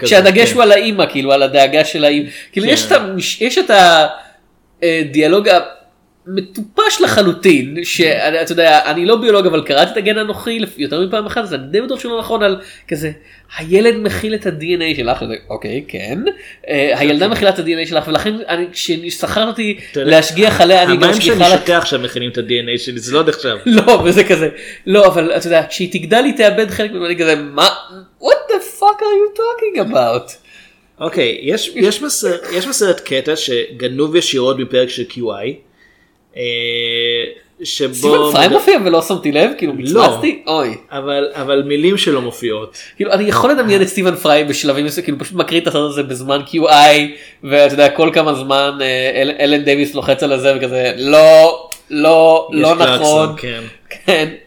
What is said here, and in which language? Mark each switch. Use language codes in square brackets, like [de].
[he] שהדגש הוא על האימא, כאילו, על הדאגה של האימא. כאילו, יש את הדיאלוג המטופש לחלוטין, שאתה יודע, אני לא ביולוג, אבל קראתי את הגן האנוכי יותר מפעם אחת, אז אני די בטוח שלא נכון על כזה, הילד מכיל את ה-DNA שלך, אוקיי, כן. הילדה מכילה את ה-DNA שלך, ולכן כששכרתי להשגיח עליה, אני גם שכיחה לך... המים שאני שוכח שהם מכינים את ה-DNA שלי, זה לא עוד עכשיו. לא, וזה כזה. לא, אבל אתה יודע, כשהיא תגדל, היא תאבד חלק ממני כזה, מה? [en] What the fuck are you talking about? [he] אוקיי, יש מסרט קטע שגנוב ישירות מפרק של QI, שבו סימן פריים מופיע ולא שמתי לב, כאילו מצמצתי, אוי. אבל מילים שלא מופיעות. כאילו, אני יכול לדמיין את סימן פריים בשלבים, כאילו פשוט מקריא את הסרט הזה בזמן QI, ואתה יודע, כל כמה זמן אלן דייוויס לוחץ על זה וכזה, לא, לא, לא נכון. כן.